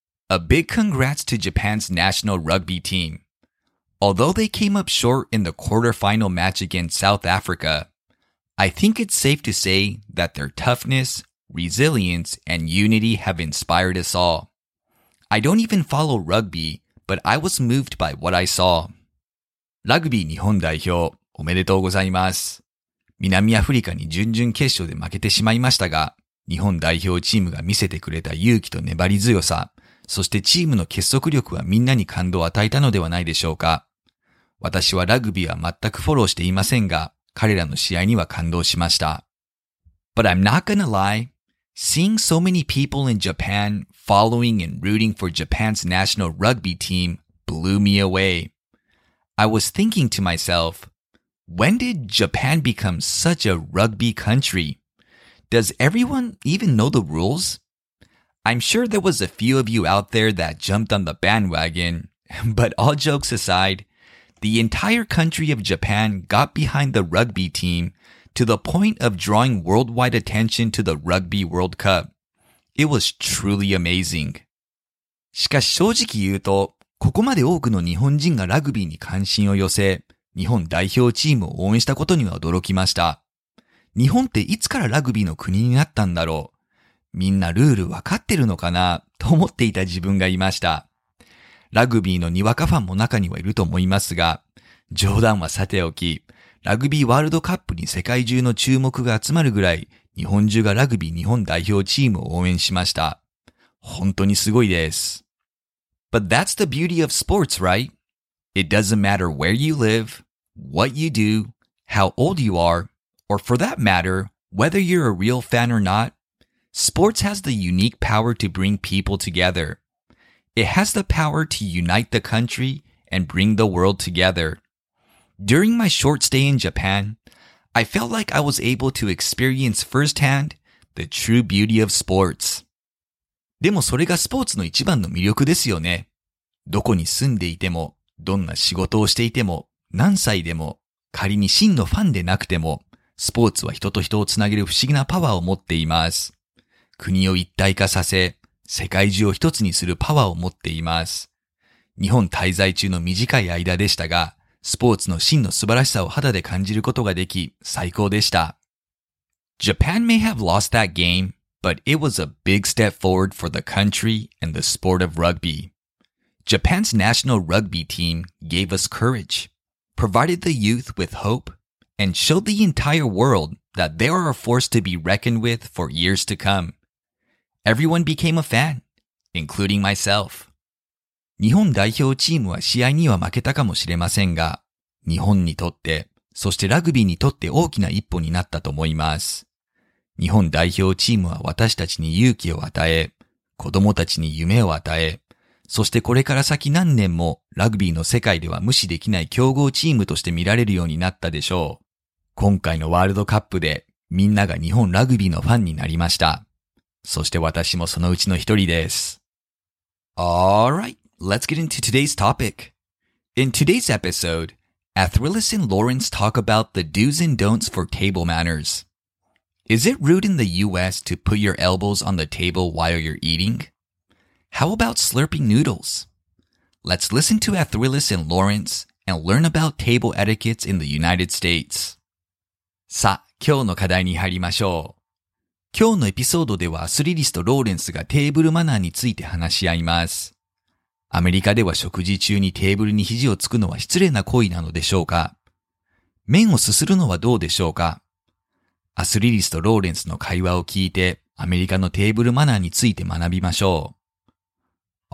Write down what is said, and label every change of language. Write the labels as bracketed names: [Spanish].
[English] A big congrats to Japan's national rugby team. Although they came up short in the quarterfinal match against South Africa, I think it's safe to say that their toughness, resilience, and unity have inspired us all. I don't even follow rugby, but I was moved by what I saw. [Japanese] ラグビー日本代表、おめでとうございます。南アフリカに準々決勝で負けてしまいましたが、日本代表チームが見せてくれた勇気と粘り強さ、そしてチームの結束力はみんなに感動を与えたのではないでしょうか。私はラグビーは全くフォローしていませんが、彼らの試合には感動しました。 [English] But I'm not gonna lie, seeing so many people in Japan following and rooting for Japan's national rugby team blew me away. I was thinking to myself, when did Japan become such a rugby country? Does everyone even know the rules? I'm sure there was a few of you out there that jumped on the bandwagon, but all jokes aside,The entire country of Japan got behind the rugby team to the point of drawing worldwide attention to the Rugby World Cup. It was truly amazing. [Japanese] しかし正直言うと、ここまで多くの日本人がラグビーに関心を寄せ、日本代表チームを応援したことには驚きました。日本っていつからラグビーの国になったんだろう。みんなルールわかってるのかなと思っていた自分がいました。ラグビーのにわかファンも中にはいると思いますが、冗談はさておき、ラグビーワールドカップに世界中の注目が集まるぐらい、日本中がラグビー日本代表チームを応援しました。本当にすごいです。 [English] But that's the beauty of sports, right? It doesn't matter where you live, what you do, how old you are, or for that matter, whether you're a real fan or not, sports has the unique power to bring people together. It has the power to unite the country and bring the world together. During my short stay in Japan, I felt like I was able to experience firsthand the true beauty of sports. [Japanese] でもそれがスポーツの一番の魅力ですよね。どこに住んでいても、どんな仕事をしていても、何歳でも、仮に真のファンでなくても、スポーツは人と人をつなげる不思議なパワーを持っています。国を一体化させ、世界中を一つにするパワーを持っています。日本滞在中の短い間でしたが、スポーツの真の素晴らしさを肌で感じることができ、最高でした。 [English] Japan may have lost that game, but it was a big step forward for the country and the sport of rugby. Japan's national rugby team gave us courage, provided the youth with hope, and showed the entire world that they are a force to be reckoned with for years to come. Everyone became a fan, including myself. [Japanese] 日本代表チームは試合には負けたかもしれませんが、日本にとって、そしてラグビーにとって大きな一歩になったと思います。日本代表チームは私たちに勇気を与え、子供たちに夢を与え、そしてこれから先何年もラグビーの世界では無視できない強豪チームとして見られるようになったでしょう。今回のワールドカップでみんなが日本ラグビーのファンになりました。そして私もそのうちの一人です。 [English] All right, let's get into today's topic. In today's episode, Athrilis and Lawrence talk about the do's and don'ts for table manners. Is it rude in the US to put your elbows on the table while you're eating? How about slurping noodles? Let's listen to Athrilis and Lawrence and learn about table etiquettes in the United States. [Japanese] さあ、今日の課題に入りましょう。今日のエピソードではアスリリストローレンスがテーブルマナーについて話し合います。アメリカでは食事中にテーブルに肘をつくのは失礼な行為なのでしょうか? 麺をすするのはどうでしょうか。アスリリスとローレンスの会話を聞いて、アメリカのテーブルマナーについて学びましょう。